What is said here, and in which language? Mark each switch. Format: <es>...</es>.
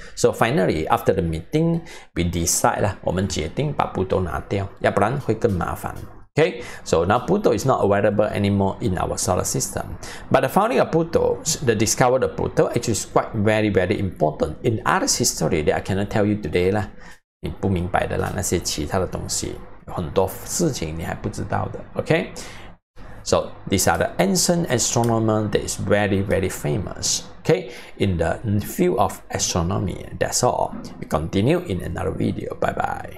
<en>So finally, after the meeting, we decide,</en> <zh>我们决定把 Pluto 拿掉，要不然会更麻烦。</zh> <en>Okay, so now Pluto is not available anymore in our solar system. But the founding of Pluto, the discovery of Pluto, actually is quite very, very important in Earth's history that I cannot tell you today.</en> <zh>你不明白的啦，那些其他的东西，很多事情你还不知道的。</zh> <en>Okay, so these are the ancient astronomers that is very, very famous. Okay, in the field of astronomy, that's all. We continue in another video. Bye bye.</en>